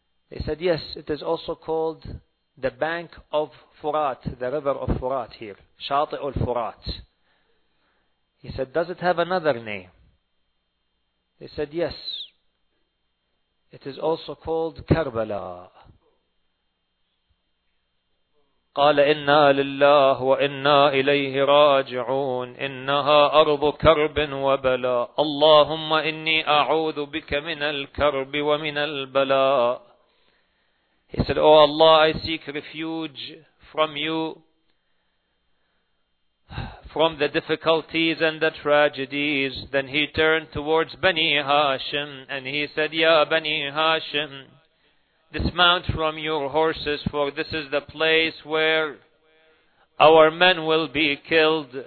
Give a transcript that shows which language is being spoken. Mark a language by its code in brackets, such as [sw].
[en] They said, yes, it is also called the bank of Furat, the river of Furat here, Shati'ul Furat. He said, does it have another name? They said, yes, it is also called Karbala. [ar] قال إنا لله وإنا إليه راجعون إنها أرض كرب وبلاء اللهم إني أعوذ بك من الكرب ومن البلاء. [en] He said, oh Allah, I seek refuge from you from the difficulties and the tragedies. Then he turned towards Bani Hashim and he said, ya Bani Hashim, dismount from your horses, for this is the place where our men will be killed.